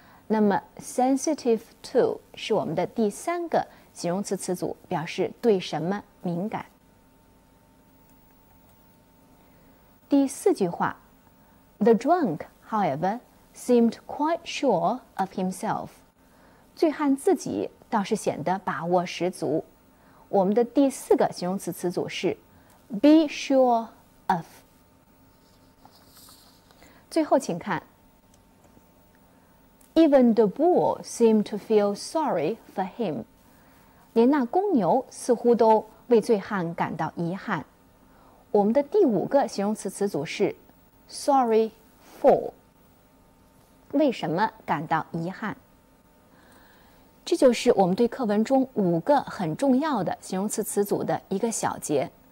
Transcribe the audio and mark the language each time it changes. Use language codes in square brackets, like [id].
[zh] 那么 sensitive to 是我们的第三个形容词词组，表示对什么敏感。第四句话， [en] the drunk however seemed quite sure of himself. [zh] 醉汉自己倒是显得把握十足。我们的第四个形容词词组是 be sure of。最后请看， [en] Even the bull seemed to feel sorry for him. [zh] 连那公牛似乎都为醉汉感到遗憾。我们的第五个形容词词组是 sorry for，为什么感到遗憾。这就是我们对课文中五个很重要的形容词词组的一个小结。